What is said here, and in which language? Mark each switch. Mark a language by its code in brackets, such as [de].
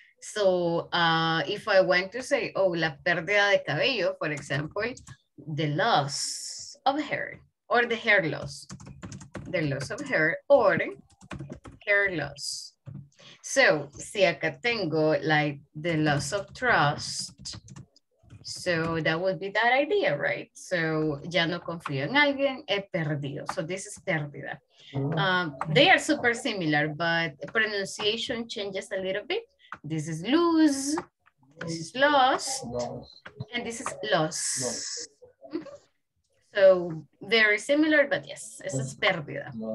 [en] So if I want to say, oh, [es] la pérdida de cabello, [en] for example, the loss of hair, or the hair loss, the loss of hair, or hair loss. So, [es] si acá tengo, [en] like, the loss of trust, so that would be that idea, right? [es] So, ya no confío en alguien, he perdido. [en] So, this is pérdida. They are super similar, but pronunciation changes a little bit. This is lose, this is lost, and this is loss. So, very similar, but yes, this is pérdida.